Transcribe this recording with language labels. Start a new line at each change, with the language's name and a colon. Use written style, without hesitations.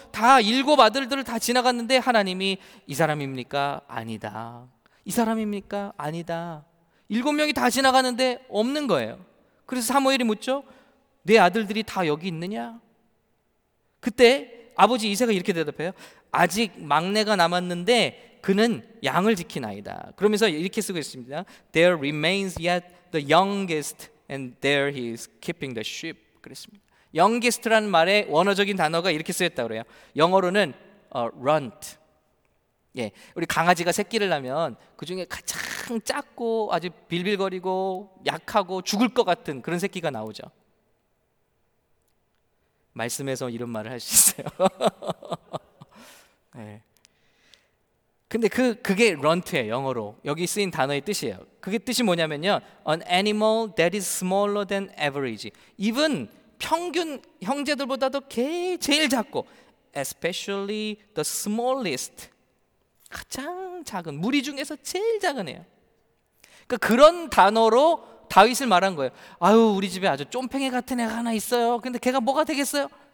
Korean: 다 일곱 아들들을 다 지나갔는데 하나님이 이 사람입니까? 아니다. 이 사람입니까? 아니다. 일곱 명이 다 지나가는데 없는 거예요. 그래서 사무엘이 묻죠. 내 아들들이 다 여기 있느냐? 그때 아버지 이새가 이렇게 대답해요. 아직 막내가 남았는데 그는 양을 지킨 아이다. 그러면서 이렇게 쓰고 있습니다.
English: There remains yet the youngest and there he is keeping the sheep.
Korean: 그랬습니다. Youngest라는 말의 원어적인 단어가 이렇게 쓰였다고 해요. 영어로는 runt. 예, 우리 강아지가 새끼를 낳으면 그 중에 가장 작고 아주 빌빌거리고 약하고 죽을 것 같은 그런 새끼가 나오죠. 말씀에서 이런 말을 할 수 있어요. 네. 근데 그게 런트예요. 영어로 여기 쓰인 단어의 뜻이에요. 그게 뜻이 뭐냐면요,
English: An animal that is smaller than average.
Korean: 입은 평균 형제들보다도 제일 작고
English: Especially the smallest.
Korean: 가장 작은, 무리 중에서 제일 작은 애예요. 그러니까 그런 단어로 다윗을 말한 거예요. 아유, 우리 집에 아주 쫌팽이 같은 애가 하나 있어요. 근데 걔가 뭐가 되겠어요?